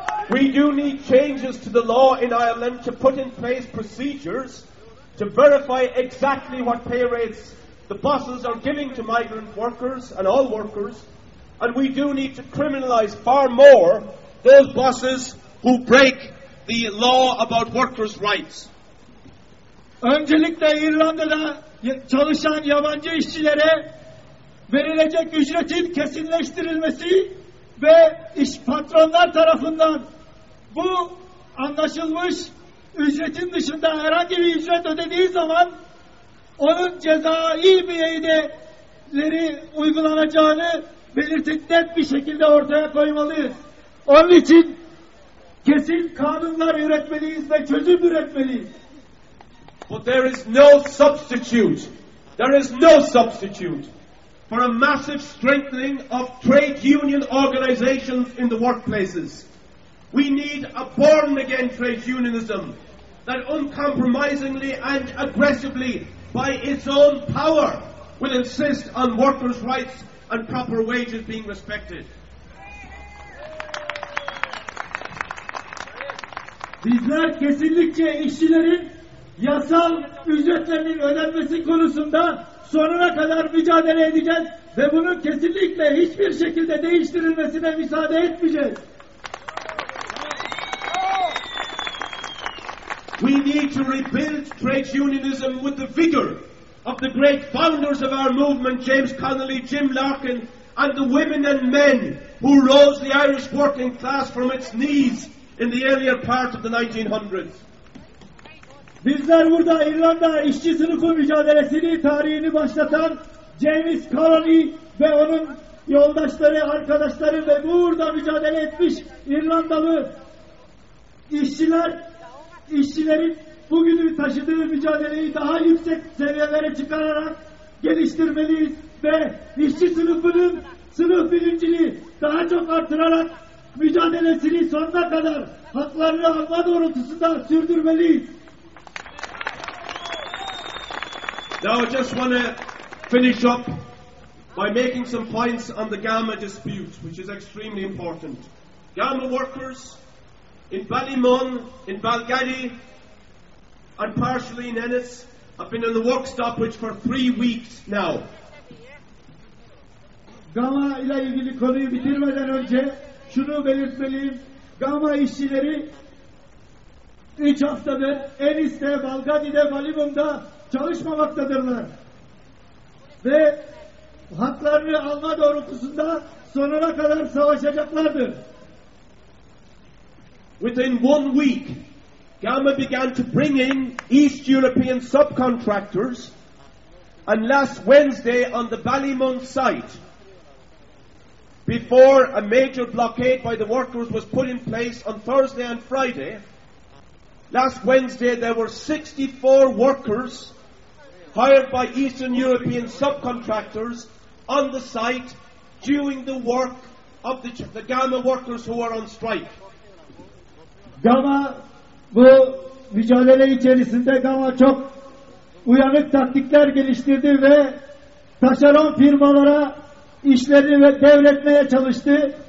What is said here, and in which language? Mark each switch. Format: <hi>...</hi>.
<en>We do need changes to the law in Ireland to put in place procedures to verify exactly what pay rates the bosses are giving to migrant workers and all workers. And we do need to criminalize far more those bosses who break the law about workers' rights.</en> <tr>Öncelikle İrlanda'da çalışan yabancı işçilere verilecek ücretin kesinleştirilmesi ve iş patronlar tarafından bu anlaşılmış ücretin dışında herhangi bir ücret ödediği zaman onun cezai bireyleri uygulanacağını belirtip net bir şekilde ortaya koymalıyız. Onun için kesin kanunlar üretmeliyiz ve çözüm üretmeliyiz.</tr> <en>But there is no substitute. There is no substitute for a massive strengthening of trade union organizations in the workplaces. We need a born-again trade unionism that uncompromisingly and aggressively, by its own power, will insist on workers' rights and proper wages being respected.</en> <tr>Bizler kesinlikle işçilerin yasal ücretlerinin ödenmesi konusunda sonuna kadar mücadele edeceğiz ve bunun kesinlikle hiçbir şekilde değiştirilmesine müsaade etmeyeceğiz.</tr> <en>We need to rebuild trade unionism with the vigor of the great founders of our movement, James Connolly, Jim Larkin, and the women and men who rose the Irish working class from its knees in the earlier part of the 1900s.</en> <tr>Bizler burada İrlanda işçi sınıfı mücadelesini tarihini başlatan James Connolly ve onun yoldaşları, arkadaşları ve burada mücadele etmiş İrlandalı işçilerin bugünü taşıdığı mücadeleyi daha yüksek seviyelere çıkararak geliştirmeliyiz ve işçi sınıfının sınıf bilinciliği daha çok artırarak mücadelesini sonuna kadar haklarını alma doğrultusunda sürdürmeliyiz.</tr> <en>Now I just want to finish up by making some points on the GAMA dispute, which is extremely important. GAMA workers in Ballymun, in Balgaddy, and partially in Ennis have been on the work stoppage for 3 weeks now.</en> <tr>GAMA ile ilgili konuyu bitirmeden önce şunu belirtmeliyim. GAMA işçileri 3 haftadır Ennis'te, Balgaddy'de, Ballymun'da çalışmamaktadırlar. Ve haklarını alma doğrultusunda sonuna kadar savaşacaklardır.</tr> <en>Within 1 week, GAMA began to bring in East European subcontractors, and last Wednesday on the Ballymun site, before a major blockade by the workers was put in place on Thursday and Friday, last Wednesday there were 64 workers hired by Eastern European subcontractors on the site doing the work of the GAMA workers who are on strike.</en> <tr>GAMA bu mücadele içerisinde GAMA çok uyanık taktikler geliştirdi ve taşeron firmalara işlerini devretmeye çalıştı.</tr>